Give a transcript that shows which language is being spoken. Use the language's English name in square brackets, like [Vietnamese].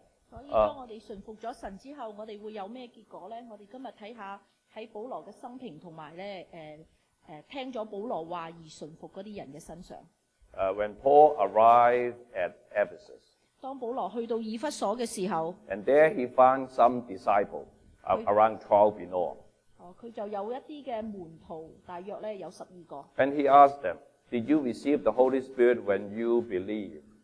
[English] When Paul arrived at Ephesus, and there he found some disciples, around 12 in all. [Chinese] 他就有一些的門徒,大約有12個。 [English] And he asked them, did you receive the Holy Spirit when you believe?